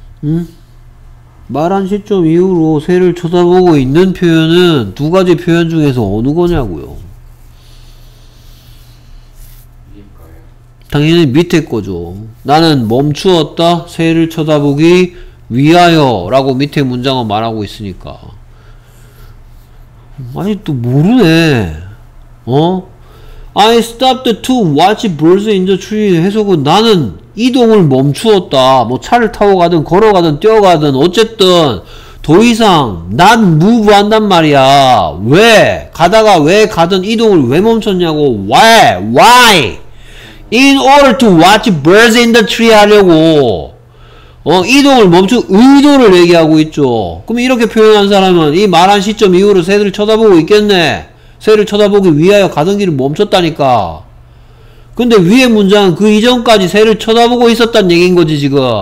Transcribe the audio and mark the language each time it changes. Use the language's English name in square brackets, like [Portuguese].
[Korean] 응? 말한 시점 이후로 새를 쳐다보고 있는 표현은 두 가지 표현 중에서 어느 거냐고요? 당연히 밑에 거죠. 나는 멈추었다. 새를 쳐다보기 위하여 라고 밑에 문장을 말하고 있으니까. 아니 또 모르네. 어? [English] I stopped to watch birds in the tree. [Korean] 해석은 나는 이동을 멈추었다. 뭐 차를 타고 가든 걸어가든 뛰어가든 어쨌든 더 이상 난 move 한단 말이야. 왜? 가다가 왜 가든 이동을 왜 멈췄냐고. [English] Why? Why? In order to watch birds in the tree [Korean] 하려고. 이동을 멈춘 의도를 얘기하고 있죠. 그럼 이렇게 표현한 사람은 이 말한 시점 이후로 새들을 쳐다보고 있겠네. 새를 쳐다보기 위하여 가던 길을 멈췄다니까. 근데 위에 문장은 그 이전까지 새를 쳐다보고 있었단 얘기인 거지 지금.